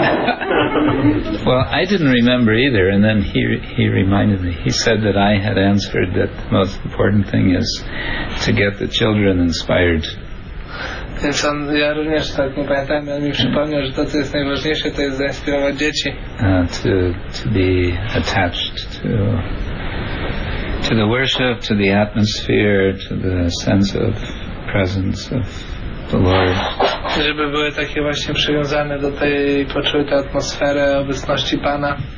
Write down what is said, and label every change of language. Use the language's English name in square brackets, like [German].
[English] Well, I didn't remember either, and then he reminded me. He said that I had answered that the most important thing is to get the children inspired. [Polish] Więc on, ja również tak nie pamiętam, on mi przypomniał, że to, co jest najważniejsze, to jest zainspirować dzieci. [English] To be attached to the worship, to the atmosphere, to the sense of presence of the Lord. [Polish] Żeby były takie właśnie przywiązane do tej, poczuły tę atmosferę obecności Pana.